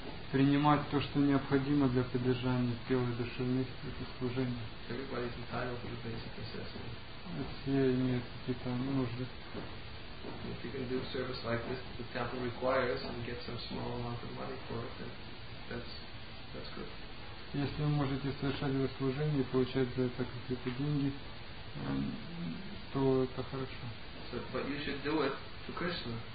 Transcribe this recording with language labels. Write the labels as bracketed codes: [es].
[ru] Принимать то, что необходимо для поддержания тела и души вместе, это служение. [en] Everybody is entitled to the basic necessity. [ru] Все имеют какие-то нужды. [en] If you can do service like this that the temple requires and get some small amount of money for it, then that's good. [ru] Если вы можете совершать это служение и получать за это какие-то деньги, то это хорошо. [en] So, but you should do it for Krishna.